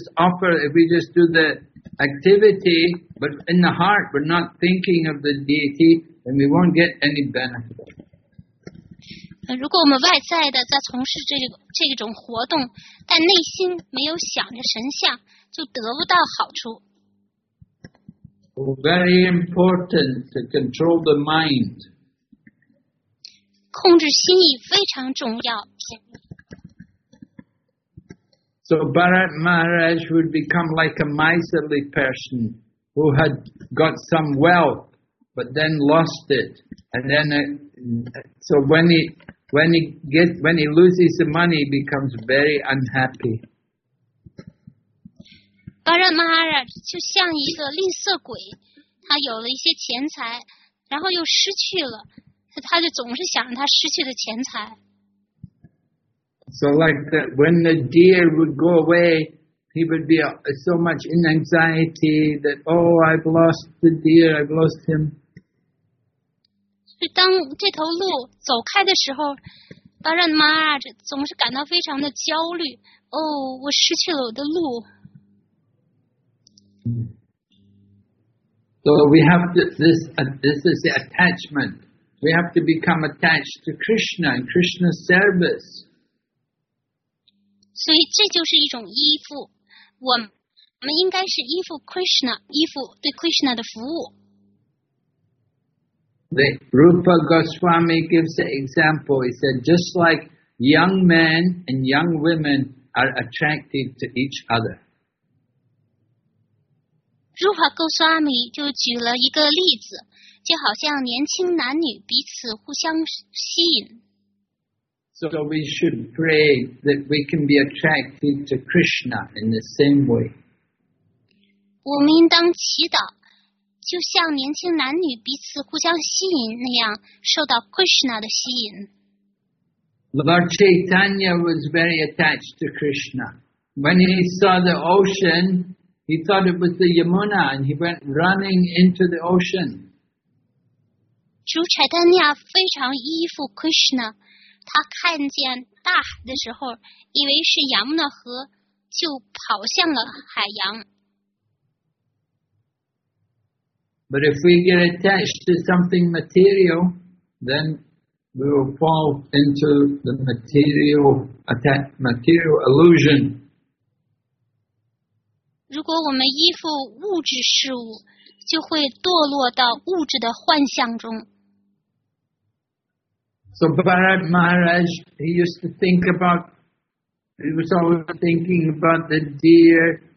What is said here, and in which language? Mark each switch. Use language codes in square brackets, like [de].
[en] If we just do the activity, but in the heart we're not thinking of the deity, then we won't get any benefit. [zh] 如果我们外在的在从事这种活动，但内心没有想着神像，就得不到好处。 [en] Very important to control the mind. [zh] 控制心意非常重要。 [en] So Bharat Maharaj would become like a miserly person who had got some wealth, but then lost it. And then, when he loses the money, he becomes very unhappy. [zh] Bharat Maharaj 就像一个吝啬鬼，他有了一些钱财，然后又失去了，他就总是想他失去的钱财。 [en] So like that, when the deer would go away, he would be so much in anxiety that, oh, I've lost the deer, I've lost him. [zh] 当这头鹿走开的时候，巴仁玛哈总是感到非常的焦虑。哦，我失去了我的鹿。 [en] So we have to, this is the attachment. We have to become attached to Krishna and Krishna's service. [zh] 所以这就是一种依附，我们应该是依附 Krishna， 依附对 Krishna 的服务。 [en] The Rupa Goswami gives the example. He said, just like young men and young women are attracted to each other. [zh] Rupa Goswami 就举了一个例子，就好像年轻男女彼此互相吸引。 [en] So we should pray that we can be attracted to Krishna in the same way. [zh] 我们应当祈祷，就像年轻男女彼此互相吸引那样，受到 Krishna 的吸引。 [en] Lord Chaitanya was very attached to Krishna. When he saw the ocean, he thought it was the Yamuna, and he went running into the ocean. [zh] 主 Chaitanya 非常依附 Krishna。他看见大海的时候，以为是亚穆纳河，就跑向了海洋。 [en] But if we get attached to something material, then we will fall into the material illusion. [zh] 如果我们依附物质事物，就会堕落到物质的幻象中。 [en] So Bharat Maharaj, he used to think about, he was always thinking about the deer.